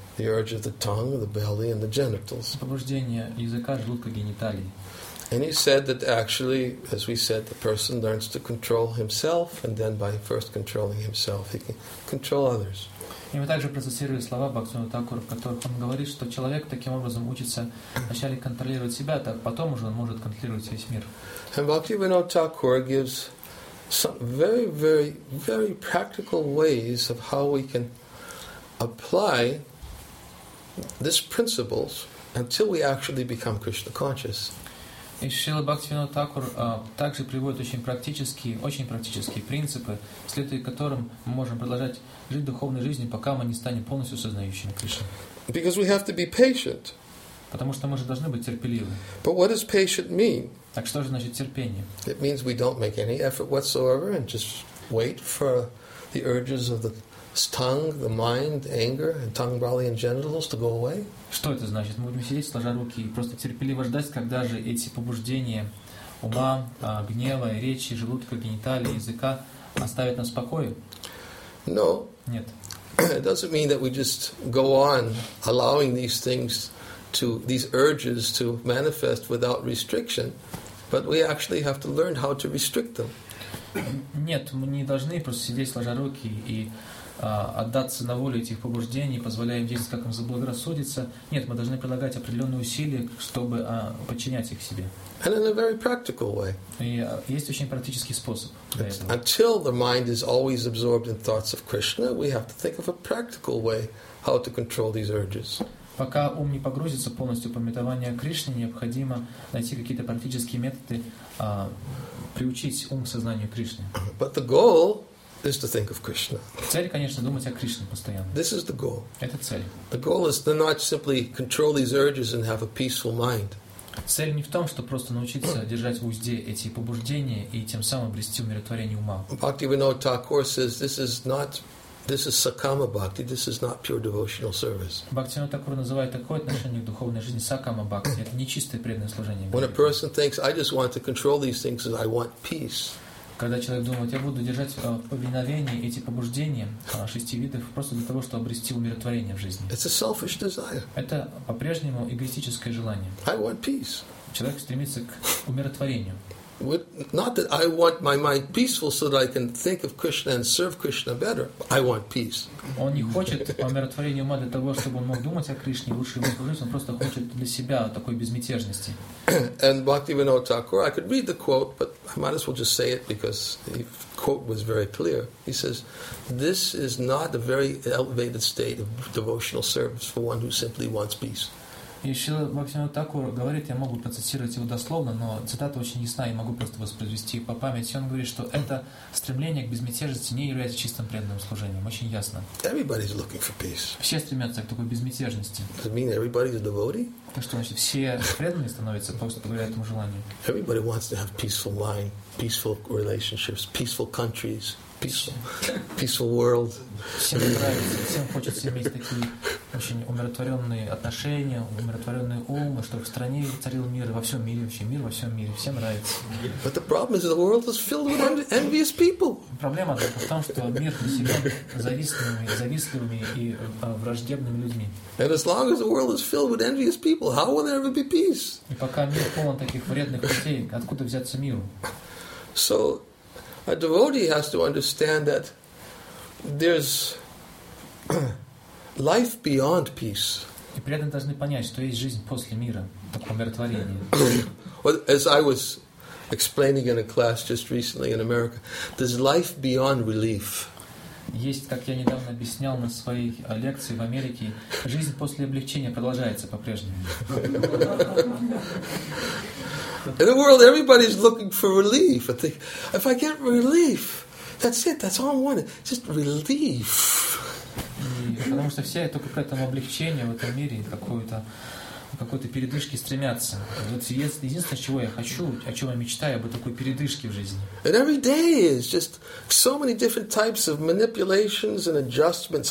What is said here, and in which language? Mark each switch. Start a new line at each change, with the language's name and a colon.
English: The urge of the tongue, the belly, and the genitals.
Russian: Побуждение языка, желудка, гениталий.
English: And he said that actually, as we said, the person learns to control himself, and then by first controlling himself, he can control others.
Russian: И мы также процитировали слова Бхактивинода Тхакура, в которых он говорит, что человек таким образом учится вначале контролировать себя, а потом уже он может контролировать весь мир.
English: And Bhaktivinoda Thakur gives some very, very, very practical ways of how we can apply these principles until we actually become Krishna conscious.
Russian: И Шрила Бхактивинода Тхакур также приводит очень практические принципы, вследствие которым мы можем продолжать жить духовной жизнью, пока мы не станем полностью сознающими Кришну.
English: Because we have to be patient.
Russian: Потому что мы же должны быть терпеливы.
English: But what does patient mean?
Russian: Так что же значит терпение?
English: It means we don't make any effort whatsoever and just wait for the urges of the tongue, the mind, anger, and tongue, belly, and genitals to go away.
Russian: Что это значит? Мы будем сидеть, сложа руки, и просто терпеливо ждать, когда же эти побуждения ума, гнева, речи, желудка, гениталий, языка оставят нас в покое?
English: No.
Russian: Нет.
English: It doesn't mean that we just go on allowing these things to these urges to manifest without restriction, but we actually have to learn how to restrict them.
Russian: Нет, мы не должны просто сидеть, сложа руки, и отдаться на волю этих побуждений, позволяя им действовать, как им заблагорассудится. Нет, мы должны прилагать определенные усилия, чтобы подчинять их себе.
English: And in a very practical way.
Russian: И есть очень практический способ для этого.
English: Until the mind is always absorbed in thoughts of Krishna, we have to think of a practical way how to control these urges.
Russian: Пока ум не погрузится полностью в памятование о Кришне, необходимо найти какие-то практические методы приучить ум к сознанию Кришны.
English: But the goal is to think of Krishna.
Russian: Цель, конечно, думать о Кришне постоянно.
English: This is the goal.
Russian: Это цель.
English: The goal is to not simply control these urges and have a peaceful mind.
Russian: Цель не в том, чтобы просто научиться держать в узде эти побуждения и тем самым обрести умиротворение ума.
English: Bhaktivinoda Thakur says this is sakama bhakti. This is not pure devotional service.
Russian: Бхактивинода Тхакура называет такое отношение к духовной жизни сакама бхакти. Это нечистое преданное служение.
English: When a person thinks I just want to control these things and I want peace.
Russian: Когда человек думает, я буду держать в повиновении эти побуждения шести видов просто для того, чтобы обрести умиротворение в жизни.
English: It's a selfish desire.
Russian: Это по-прежнему эгоистическое желание.
English: I want peace.
Russian: Человек стремится к умиротворению.
English: Not that I want my mind peaceful so that I can think of Krishna and serve Krishna better. I want peace.
Russian: Он не хочет умиротворения ума для того, чтобы он мог думать о Кришне и лучше ему служить. Он просто хочет для себя такой безмятежности.
English: And Bhaktivinoda Thakur, I could read the quote, but I might as well just say it because the quote was very clear. He says, "This is not a very elevated state of devotional service for one who simply wants peace."
Russian: И Шрила Бхактивинода Тхакур говорит, я могу процитировать его дословно, но цитата очень ясна, и могу просто воспроизвести по памяти. Он говорит, что это стремление к безмятежности не является чистым преданным служением. Очень ясно.
English: Everybody's looking for peace.
Russian: Все стремятся к такой безмятежности.
English: Does it mean everybody's a devotee?
Russian: То, что значит, все преданные становятся просто благодаря этому желанию.
English: Everybody wants to have peaceful mind, peaceful relationships, peaceful countries, peaceful world.
Russian: Всем нравится, всем хочется иметь такие очень умиротворенные отношения, умиротворенные умы, чтобы в стране царил мир, во всем мире вообще, мир во всем мире, всем нравится.
English: But the problem is the world is filled with envious people.
Russian: Проблема только в том, что мир населен завистливыми и враждебными людьми.
English: And as long as the world is filled with envious people, how will there ever be peace?
Russian: И пока мир полон таких вредных людей, откуда взяться миру?
English: So a devotee has to understand that there's life beyond peace.
Russian: И преданные должны понять, что есть жизнь после мира, такое умиротворение.
English: Well, as I was explaining in a class just recently in America, there's life beyond relief.
Russian: Есть, как я недавно объяснял на своей лекции в Америке, жизнь после облегчения продолжается по-прежнему.
English: In the world, everybody's looking for relief. I think, if I get relief, that's it. That's all I want. Just relief.
Russian: Потому что все только к этому облегчению в этом мире какой-то передышки стремятся. Вот единственное, чего я хочу, о чем я мечтаю, об такой передышке в жизни.
English: And every day is just so many different types of manipulations and adjustments.